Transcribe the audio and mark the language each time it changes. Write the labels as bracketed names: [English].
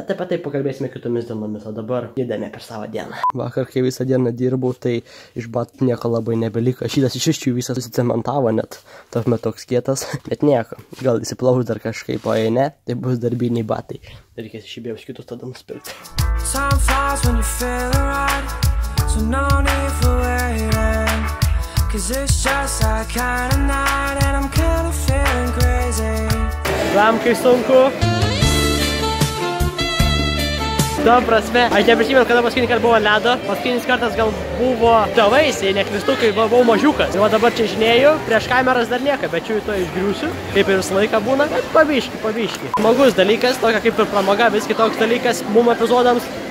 [Lithuanian] Bet apie tai pakalbėsime kitomis dienomis, o dabar judame per savo dieną. Vakar, kai visą dieną dirbau, tai iš batų nieko labai nebeliko. Šitas iš iščių visą susicementavo net, tapme toks kietas. Bet nieko, gal įsiplaus dar kažkaip, o jei ne, tai bus darbiniai batai. Reikės išibėjus kitus tada nuspirti. [English] Time flies when you're feeling right, so no need for waiting, cause it's just that kind of night and I'm kind of feeling crazy. [Lithuanian] Lamkai sunku. Ta prasme, aš neprisimenu, kada paskutinį kartą buvo ledo. Paskutinis kartas gal buvo tavais, jei neklystu, kai buvau mažiukas. Va dabar čia žinėjau, prieš kameras dar nieko, bet čia to išgriūsiu. Kaip ir visą laiką būna, bet pavyški. Smagus dalykas, tokia kaip ir pramoga, viski toks dalykas mum epizodams.